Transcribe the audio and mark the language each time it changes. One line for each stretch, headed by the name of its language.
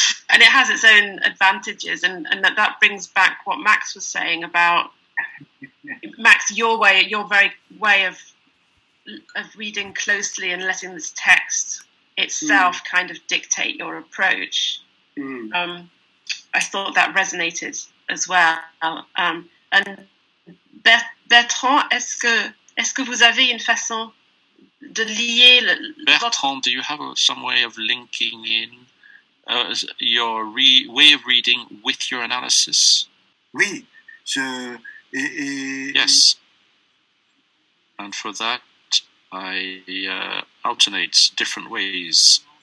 English: And it has its own advantages, and that brings back what Max was saying about Max, your way of reading closely and letting this text itself kind of dictate your approach. Mm. I thought that resonated as well.
French: And Bertrand, est-ce que vous avez une façon de lier le,
English: Bertrand, do you have some way of linking in your way of reading with your analysis?
French: Oui.
English: Yes. And for that, I alternate different ways.